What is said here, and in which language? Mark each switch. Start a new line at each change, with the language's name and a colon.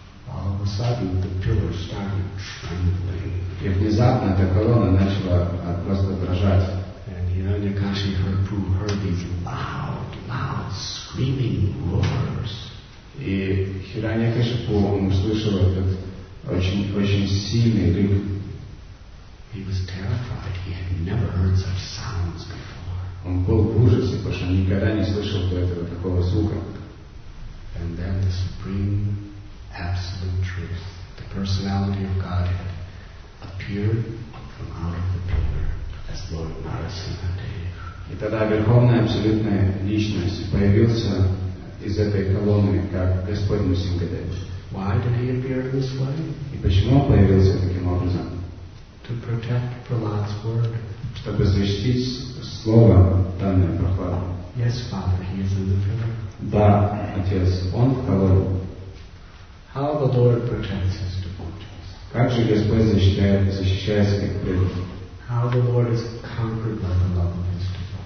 English: All of a sudden, the pillar started trembling.
Russian: И внезапно эта колонна начала просто дрожать.
English: And Hiranyakashi heard these loud, loud screaming roars.
Russian: И Хираньякашипу он услышал этот очень-очень сильный рык.
English: He was terrified. He had never heard such sounds before.
Russian: Он был в ужасе, потому что никогда не слышал до этого такого звука.
English: And then the supreme absolute truth, the personality of Godhead, appeared from out of the pillar as Lord Narasimha Dev.
Russian: И тогда Верховная Абсолютная Личность появился из этой колонны, как Господь Нарасимхадев.
English: Why did he appear this way?
Russian: И почему он появился таким образом?
English: To protect Prahlad's word.
Russian: Чтобы защитить слово, данное Прахладу.
English: Yes, Father, he is in the pillar.
Russian: Да, отец, он в колонне.
English: How the Lord protects his devotees.
Russian: Как же Господь защищает своих преданных?
English: How the Lord is conquered by the love of his devotees.